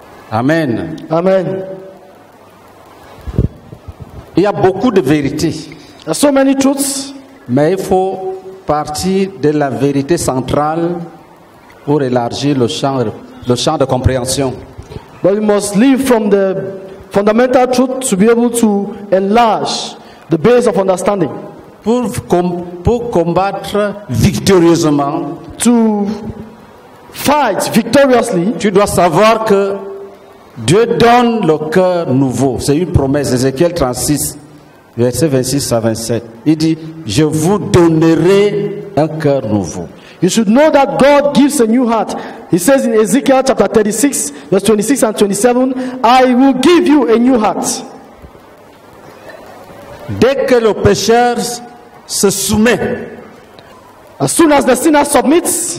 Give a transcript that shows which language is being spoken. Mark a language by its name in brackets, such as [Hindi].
[French] Amen. Amen. Il y a beaucoup de vérités. [English] There's so many truths. [French] Mais il faut partir de la vérité centrale pour élargir le champ de compréhension. [English] But we must leave from the fundamental truth to be able to enlarge the base of understanding. [French] Pour combattre victorieusement, [English] to fight victoriously, [French] tu dois savoir que Dieu donne le cœur nouveau. C'est une promesse. Ézéchiel 36, versets 26 à 27. Il dit, je vous donnerai un cœur nouveau. [English] You should know that God gives a new heart. He says in Ezekiel chapter 36, verse 26 and 27, I will give you a new heart. [French] Dès que le pécheur se soumet, [English] as soon as the sinner submits,